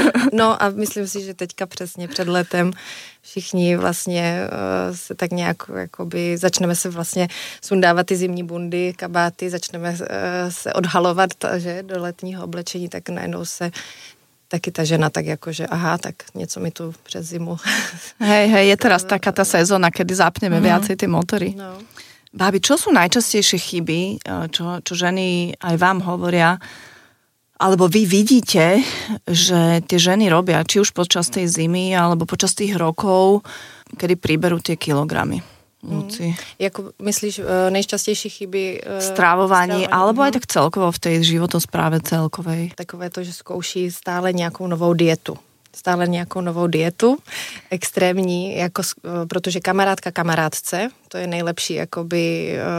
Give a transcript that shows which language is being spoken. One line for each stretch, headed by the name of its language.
Czech: No a myslím si, že teďka přesně před letem všichni vlastně se tak nějak jakoby, začneme se vlastně sundávat ty zimní bundy, kabáty, začneme se odhalovat, že do letního oblečení, tak najednou se taky ta žena tak jako, že aha, tak něco mi tu přes zimu.
Slovak: Hej, je teraz taká ta sezóna, kedy zapneme viacej ty motory. No. Babi, čo sú najčastejšie chyby, čo ženy aj vám hovoria, alebo vy vidíte, že tie ženy robia, či už počas tej zimy, alebo počas tých rokov, kedy priberú tie kilogramy? Lucy.
Czech: Jako myslíš, nejčastější chyby...
Slovak: Strávování, alebo aj tak celkovo v tej životosprávě celkovej.
Czech: Takové to, že zkouší stále nějakou novou dietu. Stále nějakou novou dietu, extrémní, jako, protože kamarádka kamarádce, to je nejlepší, jakoby...